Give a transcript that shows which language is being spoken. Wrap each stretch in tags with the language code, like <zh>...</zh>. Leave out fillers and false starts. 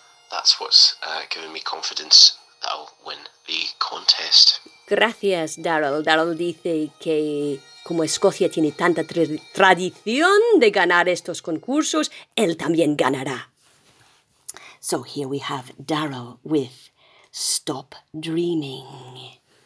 <en>That's what's giving me confidence that I'll win the contest.</en> <es>Gracias, Darrell. Darrell dice que como Escocia tiene tanta tradición de ganar estos concursos, él también ganará.</es> <en>So here we have Darrell with Stop Dreaming.</en>